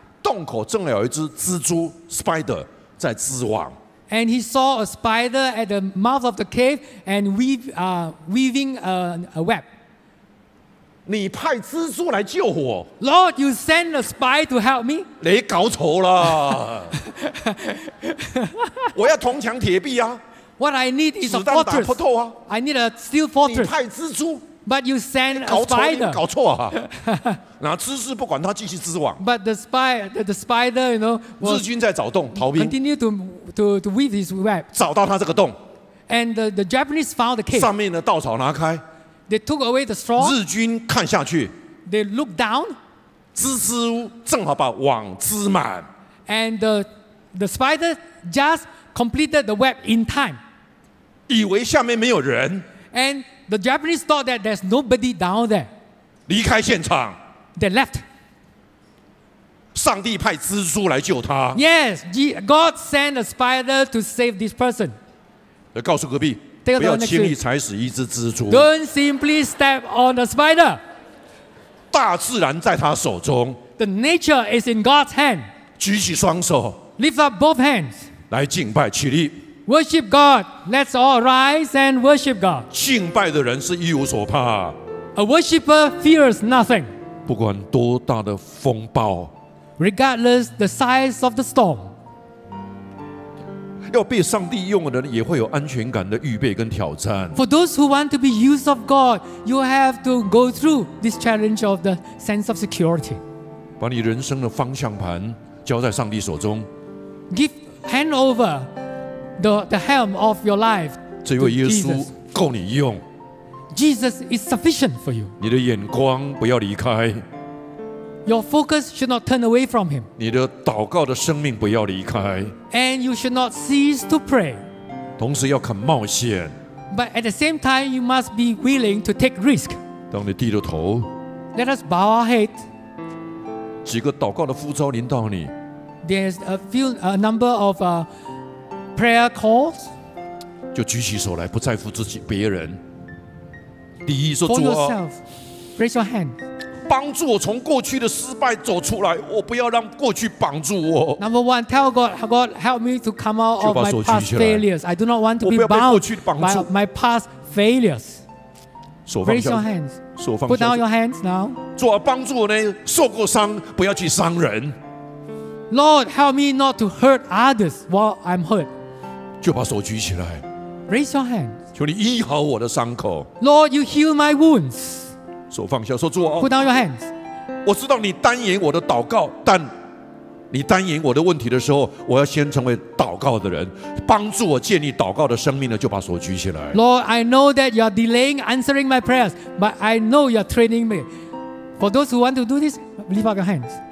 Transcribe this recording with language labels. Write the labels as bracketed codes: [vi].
[zh] 洞口正有一只蜘蛛 ，spider。在织网 [en] ，and he saw a spider at the mouth of the cave and weaving a web. [zh] 你派蜘蛛来救我 [en] ？Lord, you send a spy to help me. [zh] 你搞错了。我要铜墙铁壁啊。 [en] What I need is a fortress. [zh] 子弹打不透啊。 [en] I need a steel fortress. [zh] 你派蜘蛛。 [en] But you send a spider. [zh] 搞错啊！那蜘蛛不管他继续织网。 [en] But the spider, you know, [zh] 日军在找洞逃兵。 [en] Continue to weave his web. [zh] 找到他这个洞。 [en] And the Japanese found the cave. [zh] 上面的稻草拿开。 [en] They took away the straw. [zh] 日军看下去。 [en] They looked down. [zh] 蜘蛛正好把网织满。 [en] And the spider just completed the web in time. [zh] 以为下面没有人。 [en] And the Japanese thought that there's nobody down there. [zh] 离开现场。 [en] They left. [zh] 上帝派蜘蛛来救他。 [en] Yes, God sent a spider to save this person. [zh] 告诉隔壁，不要轻易踩死一只蜘蛛。 [en] Don't simply step on a spider. [zh] 大自然在他手中。 [en] The nature is in God's hand. [zh] 举起双手。 [en] Lift up both hands. [zh] 来敬拜，起立。 [en] Worship God. Let's all rise and worship God. [zh] 敬拜的人是一无所怕。 [en] A worshipper fears nothing. [zh] 不管多大的风暴。 [en] Regardless the size of the storm. [zh] 要被上帝用的人也会有安全感的预备跟挑战。 [en] For those who want to be used of God, you have to go through this challenge of the sense of security. [zh] 把你人生的方向盘交在上帝手中。 [en] Give hand over. The helm of your life. [zh] 这位耶稣够你用。 [en] Jesus is sufficient for you. [zh] 你的眼光不要离开。 [en] Your focus should not turn away from him. [zh] 你的祷告的生命不要离开。 [en] And you should not cease to pray. [zh] 同时要肯冒险。 [en] But at the same time, you must be willing to take risk. [zh] 当你低着头。 [en] Let us bow our head. [zh] 几个祷告的呼召临到你。 [en] There's a number of Prayer calls. [zh] 就举起手来，不在乎自己、别人。第一说主啊 [en] ，raise your hand. [zh] 帮助我从过去的失败走出来，我不要让过去绑住我。 [en] Number one, tell God, God help me to come out of my past failures. I do not want to be bound by my past failures. Raise your hands. Put down your hands now. [zh] 主啊，帮助我呢，受过伤，不要去伤人。 [en] Lord, help me not to hurt others while I'm hurt. [zh] 就把手举起来。 [en] Raise your hand. [zh] 求你医好我的伤口。 [en] Lord, you heal my wounds. [zh] 手放下，说主啊。 [en] Put down your hands. [zh] 我知道你单言我的祷告，但你单言我的问题的时候，我要先成为祷告的人，帮助我建立祷告的生命呢，就把手举起来。 [en] Lord, I know that you are delaying answering my prayers, but I know you are training me. For those who want to do this, lift up your hands.